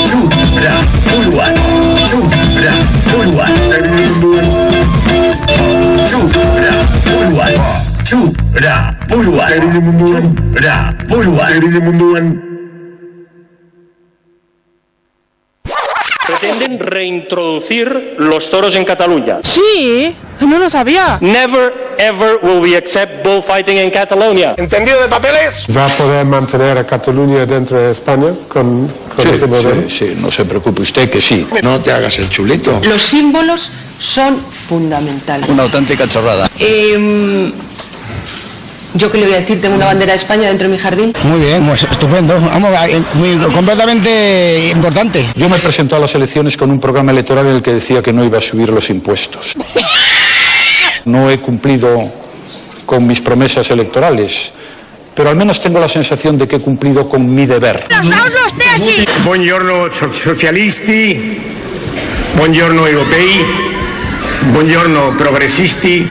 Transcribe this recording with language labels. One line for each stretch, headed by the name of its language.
Spanish: Chupra Buruan. Chupra Buruan. Chupra Buruan. Chupra Buruan. Chupra Buruan. Chupra Buruan. Chupra Buruan. Pretenden reintroducir los toros en Cataluña. Sí, no lo sabía.
English: Never ever will we accept bullfighting in Catalonia.
Spanish: ¿Entendido de papeles? ¿Va a poder mantener a Cataluña dentro de España con, sí, ese modelo? Sí, sí, no se preocupe usted que sí. No te hagas el chulito. Los símbolos son fundamentales. Una auténtica chorrada. ¿Yo qué le voy a decir? Tengo una bandera de España dentro de mi jardín. Muy bien, pues estupendo. Vamos, muy, completamente importante. Yo me presento a las elecciones con un programa electoral en el que decía que no iba a subir los impuestos. No he cumplido con mis promesas electorales, pero al menos tengo la sensación de que he cumplido con mi deber.
Italian: Buongiorno socialisti, buongiorno europei, buongiorno progressisti.